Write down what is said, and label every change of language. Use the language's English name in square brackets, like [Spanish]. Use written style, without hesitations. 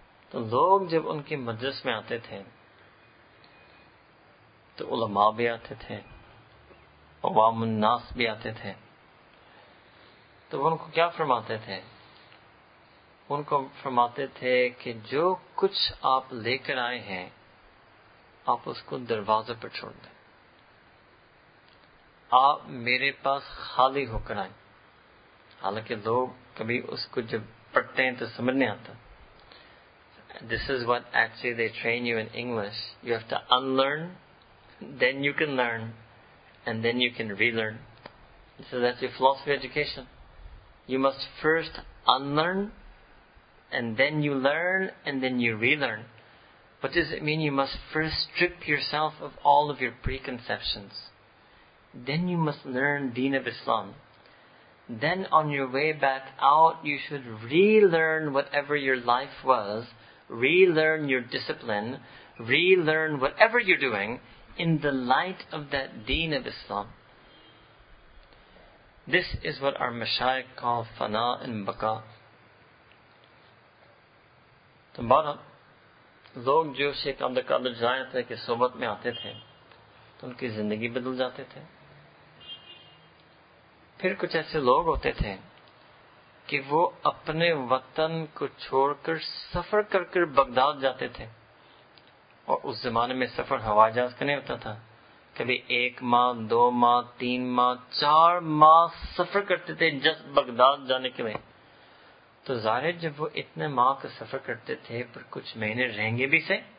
[Urdu] تو لوگ جب ان کے مجلس میں آتے تھے تو علماء بھی آتے تھے، عوام الناس بھی آتے تھے، تو وہ ان کو کیا فرماتے تھے؟ ان کو فرماتے تھے کہ جو کچھ آپ لے کر آئے ہیں آپ اس کو دروازے پر چھوڑ دیں، آپ میرے پاس خالی ہو کر آئیں۔ حالانکہ لوگ کبھی اس کو جب پڑھتے ہیں تو سمجھ نہیں آتا۔ [English] This is what actually they train you in English. You have to unlearn, then you can learn, and then you can relearn. So that's your philosophy of education. You must first unlearn, and then you learn, and then you relearn. What does it mean? You must first strip yourself of all of your preconceptions. Then you must learn Deen of Islam. Then on your way back out, you should relearn whatever your life was, relearn your discipline, relearn whatever you're doing in the light of that Deen of Islam. This is what our mashayikh call fana and baka. [Urdu] تو بارہ لوگ جو شیخ عبد القادر جائے تھے کہ صحبت میں آتے تھے تو ان کی زندگی بدل جاتے تھے۔ پھر کچھ ایسے لوگ ہوتے تھے کہ وہ اپنے وطن کو چھوڑ کر سفر کر کر بغداد جاتے تھے، اور اس زمانے میں سفر ہوائی جہاز کا نہیں ہوتا تھا، کبھی ایک ماہ، دو ماہ، تین ماہ، چار ماہ سفر کرتے تھے جسٹ بغداد جانے کے لیے۔ تو ظاہر جب وہ اتنے ماہ کا سفر کرتے تھے پر کچھ مہینے رہیں گے بھی سے،